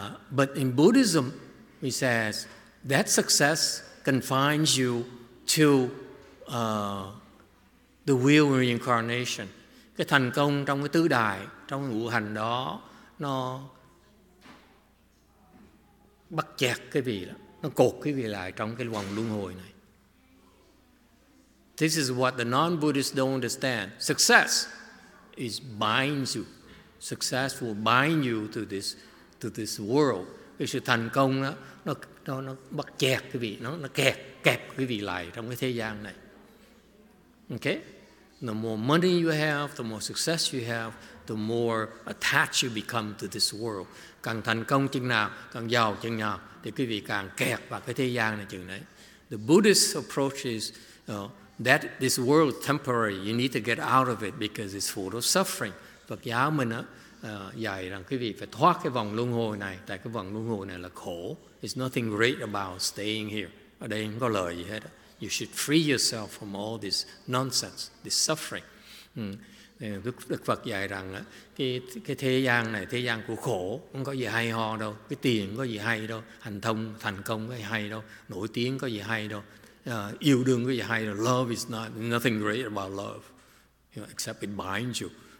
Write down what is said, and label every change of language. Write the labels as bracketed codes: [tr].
[en] But in Buddhism, he says that success confines you to the wheel of reincarnation. [vi] Cái thành công trong cái tứ đài, trong cái ngũ hành đó, nó bắt chẹt cái vị đó, nó cột cái vị lại trong cái vòng luân hồi này. [en] This is what the non-Buddhists don't understand. Success is binds you. Success will bind you to this world. [vi] Cái sự thành công đó, nó bắt chẹt cái vị, nó kẹp cái vị lại trong cái thế gian này. Okay? [en] The more money you have, the more success you have, the more attached you become to this world. [vi] Càng thành công chừng nào, càng giàu chừng nào, thì quý vị càng kẹt vào cái thế gian này chừng đấy. [en] The Buddhist approach is that this world is temporary. You need to get out of it because it's full of suffering. [vi] Phật giáo mình dạy rằng quý vị phải thoát cái vòng luân hồi này, tại cái vòng luân hồi này là khổ. [en] It's nothing great about staying here. [vi] Ở đây không có lời gì hết đó. [en] You should free yourself from all this nonsense, this suffering. [vi] Đức Phật dạy rằng cái thế gian này, thế gian của khổ, không có gì hay ho đâu. Cái tiền có gì hay đâu. Hành thông, thành công có gì hay đâu. Nổi tiếng có gì hay đâu. Yêu đương có gì hay đâu. [en] Love is nothing great about love, you know, except it binds you.